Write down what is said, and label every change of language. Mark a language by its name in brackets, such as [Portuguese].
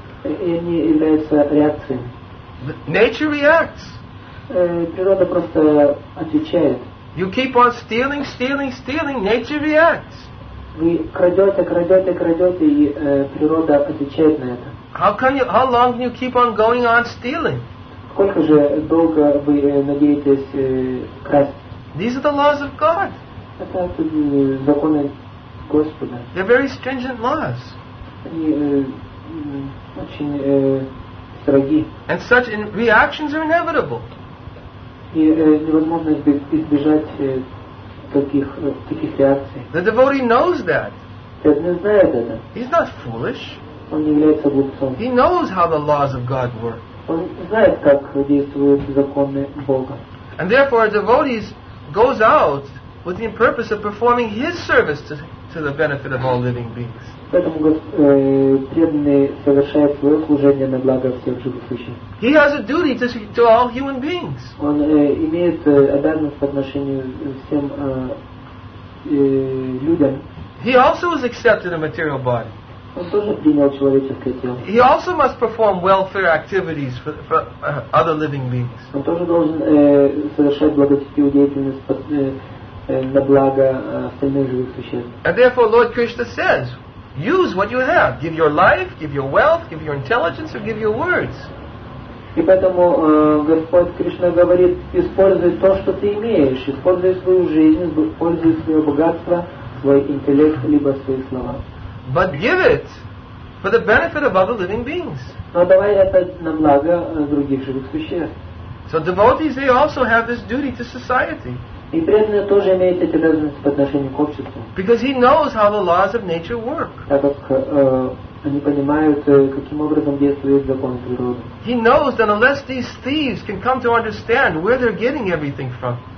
[Russian] Они являются реакциями. [English] Nature reacts. [Russian] Природа просто отвечает. [English] You keep on stealing. Nature reacts. [Russian] Вы крадете, и природа отвечает на это. [English] How long can you keep on going on stealing? [Russian] Сколько же долго вы надеетесь красть? [English] These are the laws of God. [Russian] Это законы Господа. [English] They're very stringent laws. [Russian] Они очень строги. [English] And such reactions are inevitable. [Russian] И невозможно избежать таких реакций. [English] The devotee knows that. [Russian] Он знает это. [English] He's not foolish. [Russian] Он не является глупцом. [English] He knows how the laws of God work. [Russian] Он знает, как действуют законы Бога. [English] And therefore, a devotee goes out with the purpose of performing his service to the benefit of all living beings. [Russian] Поэтому преданный совершает свое служение на благо всех живых существ. [English] He has a duty to all human beings. [Russian] Он имеет обязанность по отношению всем людям. [English] He also has accepted a material body. [Russian] Он тоже принял человеческое тело. [English] He also must perform welfare activities for other living beings. [Russian] Он тоже должен совершать благотворительную деятельность на благо остальных живых существ. [English] And therefore, Lord Krishna says, use what you have. Give your life, give your wealth, give your intelligence, or give your words. [Russian] И поэтому Господь Кришна говорит, используй то, что ты имеешь. Используй свою жизнь, используй свое богатство, свой интеллект, либо свои слова. [English] But give it for the benefit of other living beings. [Russian] Но давай это на благо других живых существ. [English] So devotees, they also have this duty to society. [Russian] И преданный тоже имеет эти обязанности по отношению к обществу. [English] Because he knows how the laws of nature work. [Russian] Так как они понимают, каким образом действует закон природы. [English] He knows that unless these thieves can come to understand where they're getting everything from.